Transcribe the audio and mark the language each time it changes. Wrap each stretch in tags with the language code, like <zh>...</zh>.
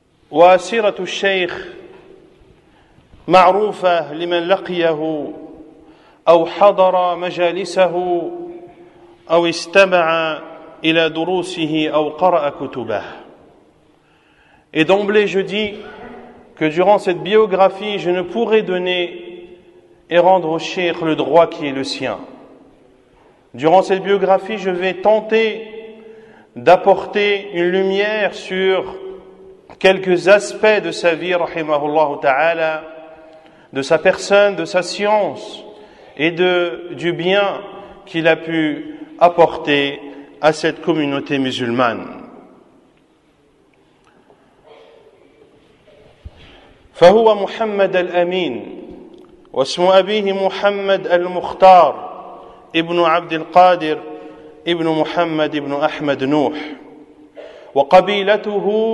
<ar>وسيرة الشيخ معروفة لمن لقيه أو حضر مجالسه أو استمع إلى دروسه أو قرأ كتبه.</ar> <fr>Et d'emblée je dis que durant cette biographie je ne pourrai donner et rendre au cheikh le droit qui est le sien. Durant cette biographie je vais tenter d'apporter une lumière sur quelques aspects de sa vie, rahimahullah ta'ala, de sa personne, de sa science et du bien qu'il a pu apporter à cette communauté musulmane.</fr> <ar>فهو محمد الأمين واسم أبيه محمد المختار ابن عبد القادر ابن محمد ابن أحمد نوح وقبيلته</ar>